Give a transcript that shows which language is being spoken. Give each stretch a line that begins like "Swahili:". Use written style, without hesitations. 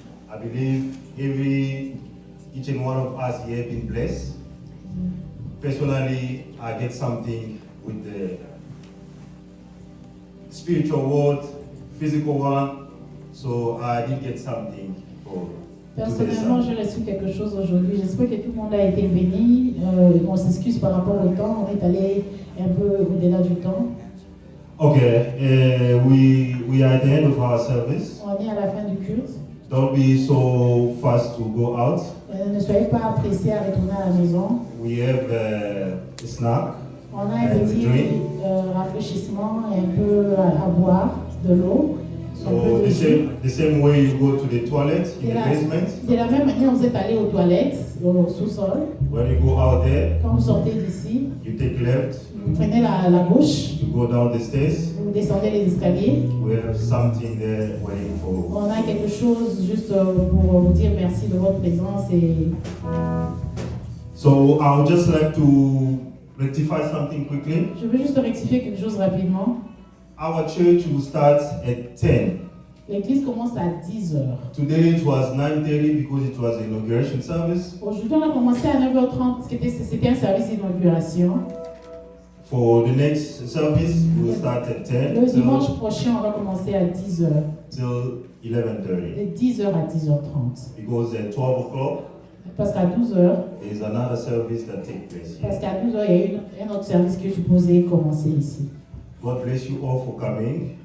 English: I believe each and one of us here have been blessed. Personally, I get something with the spiritual world, physical one, so I did get something for
French: personnellement, j'ai reçu quelque chose aujourd'hui. J'espère que tout le monde a été béni. On s'excuse par rapport au temps. On est allé un peu au-delà du temps.
English: Ok, we are at the end of our service.
French: On est à la fin du culte.
English: Don't be so fast to go out.
French: Ne soyez pas pressé à retourner à la maison.
English: We have a snack.
French: On a un petit rafraîchissement et un peu à boire de l'eau.
English: So the same way you go to the toilet in the basement.
French: De la même manière, vous êtes allé aux toilettes au sous-sol.
English: When you go out there,
French: quand vous sortez d'ici,
English: you take left.
French: Vous prenez la gauche.
English: You go down the stairs.
French: Vous descendez les escaliers.
English: We have something there waiting for you.
French: On a quelque chose juste pour vous dire merci de votre présence et.
English: So I would just like to rectify something quickly.
French: Je veux juste rectifier quelque chose rapidement.
English: Our church will start at 10.
French: L'église commence à 10h.
English: Today it was 9:30 because it was inauguration service.
French: Aujourd'hui on a commencé à 9h30 parce que c'était un service d'inauguration.
English: For the next service we will start at 10.
French: Le dimanche prochain on va commencer à 10h.
English: Till 11:30.
French: De 10h à 10h30.
English: Because at 12 o'clock.
French: Parce qu'à 12h.
English: There is another service that takes place.
French: Parce qu'à 12h il y a un autre service que je supposais commencer ici.
English: God bless you all for coming.